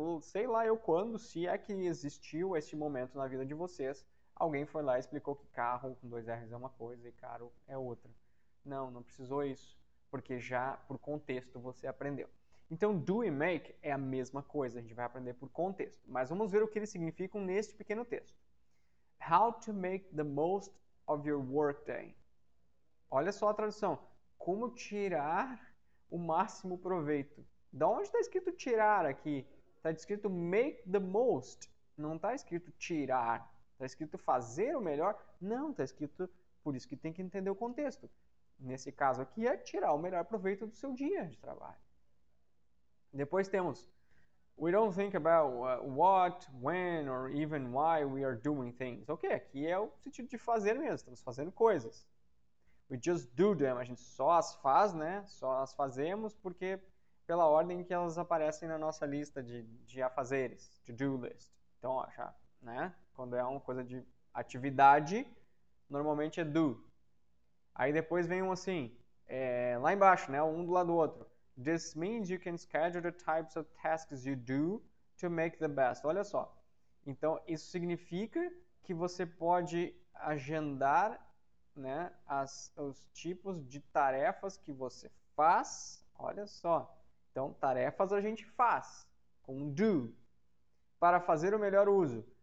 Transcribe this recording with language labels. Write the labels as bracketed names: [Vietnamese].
[Portuguese] Sei lá eu quando, se é que existiu esse momento na vida de vocês. Alguém foi lá e explicou que carro com dois R's é uma coisa e caro é outra. Não, não precisou isso, porque já por contexto você aprendeu. Então, do e make é a mesma coisa, a gente vai aprender por contexto. Mas vamos ver o que eles significam neste pequeno texto. [English] How to make the most of your workday. [Portuguese] Olha só a tradução. Como tirar o máximo proveito. Da onde está escrito tirar aqui? Está escrito [English] make the most. [Portuguese] Não está escrito tirar. Está escrito fazer o melhor. Não, está escrito... Por isso que tem que entender o contexto. Nesse caso aqui é tirar o melhor proveito do seu dia de trabalho. Depois temos, [English] we don't think about what, when, or even why we are doing things. [Portuguese] Ok, aqui é o sentido de fazer mesmo, estamos fazendo coisas. [English] We just do them, [Portuguese] a gente só as faz, né? Só as fazemos porque pela ordem que elas aparecem na nossa lista de afazeres, to do list. Então, ó, já, né? Quando é uma coisa de atividade, normalmente é do. Aí depois vem um assim, lá embaixo, né? Um do lado do outro. [English] This means you can schedule the types of tasks you do to make the best. [Portuguese] Olha só. Então, isso significa que você pode agendar, né, os tipos de tarefas que você faz. Olha só. Então, tarefas a gente faz com do para fazer o melhor uso.